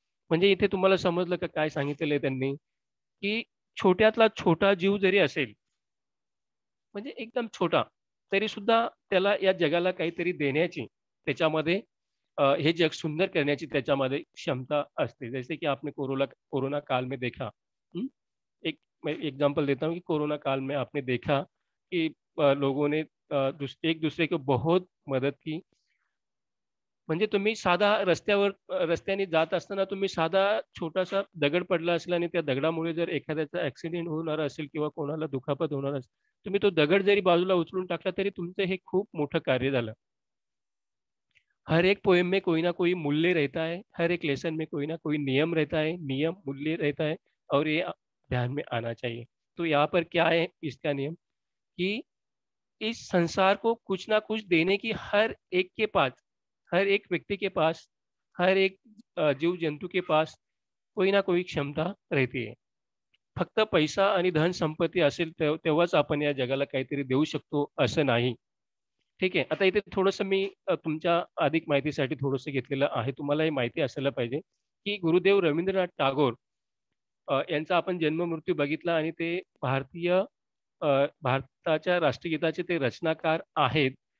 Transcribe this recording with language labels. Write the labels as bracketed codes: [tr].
[mr] म्हणजे इथे तुम्हाला समजलं का काय सांगितलेलं आहे त्यांनी, की छोट्यातला छोटा जीव जरी असेल, म्हणजे एकदम छोटा, तरी सुद्धा त्याला या जगाला काहीतरी देण्याची, त्याच्यामध्ये हे जग सुंदर करण्याची त्याच्यामध्ये क्षमता असते। जसे की [hi] आपने कोरोना काल में देखा, एक मैं एग्जाम्पल देता हूँ कि कोरोना काल में आपने देखा कि लोगों ने एक दूसरे को बहुत मदद की। [mr] म्हणजे तुम्ही साधा रस्त्याने जात असताना तुम्ही साधा छोटासा दगड पडला असेल, आणि त्या दगडामुळे जर एखाद्याचा ॲक्सिडेंट होणार असेल किंवा कोणाला दुखापत होणार असेल, तुम्ही तो दगड जरी बाजूला उचलून टाकला तरी तुमचं हे खूप मोठं कार्य झालं। [hi] हर एक पोएम में कोई ना कोई मूल्य रहता है, हर एक लेसन में कोई ना कोई नियम रहता है, नियम मूल्य रहता है, और ये ध्यान में आना चाहिए। तो यहाँ पर क्या है इसका नियम, कि इस संसार को कुछ ना कुछ देने की हर एक के पास, हर एक व्यक्ति के पास, हर एक जीव जंतु के पास कोई ना कोई क्षमता रहती है। [mr] फक्त पैसा आणि धन संपत्ति असेल तेव्हाच आपण या जगाला काहीतरी देऊ शकतो असं नाही, ठीक आहे। आता इथे थोडंसं मी तुमच्या अधिक माहितीसाठी थोडंसं घेतलेलं आहे, तुम्हालाही माहिती असायला पाहिजे की गुरुदेव रवींद्रनाथ टागोर यांचा आपण जन्म मृत्यू बघितला, आणि ते भारतीय भारताच्या राष्ट्रगीताचे ते रचनाकार आहेत।